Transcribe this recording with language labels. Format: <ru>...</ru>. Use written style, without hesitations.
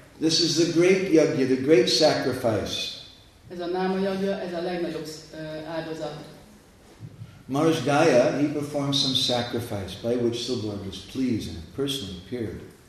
<en>This is the great yagya, the great sacrifice.</en> <hu>Ez a Nama-yagya, ez a legnagyobb áldozat.</hu> <en>Maharaj Gaya, he performed some sacrifice by which the Lord was pleased and personally appeared.</en>